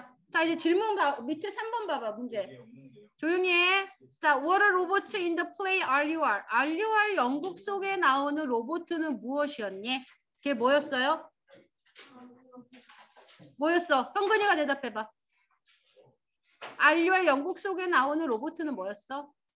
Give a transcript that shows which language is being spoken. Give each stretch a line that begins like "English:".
Korean: 자, 이제 질문 가 밑에 3번 봐봐. 문제 조용히 해.
English: 자, What are robots in the play RUR?
Korean: RUR 영국 속에 나오는 로봇은 무엇이었니? 그게 뭐였어요? 뭐였어? 형근이가 대답해봐. RUR 영국 속에 나오는 로봇은 뭐였어?